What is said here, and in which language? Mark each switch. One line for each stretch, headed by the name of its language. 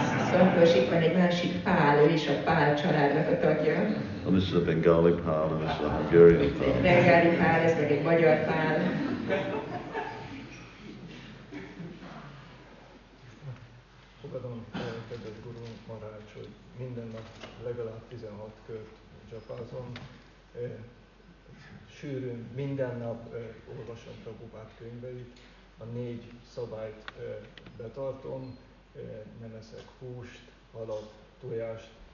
Hungarian: Santosh, itt van egy másik pál, ő is a pál családnak a tagja.
English: And this is a Bengali pal, and this is a Hungarian pal.
Hungarian: Bengali pál, ez meg egy magyar pál. Fogadom a kedves Guru Maharaj, hogy minden nap legalább 16 kört japázom. Sűrűn, minden nap olvasom Prabhupád könyveit, a négy szabályt betartom, nem eszek húst, halat, tojást,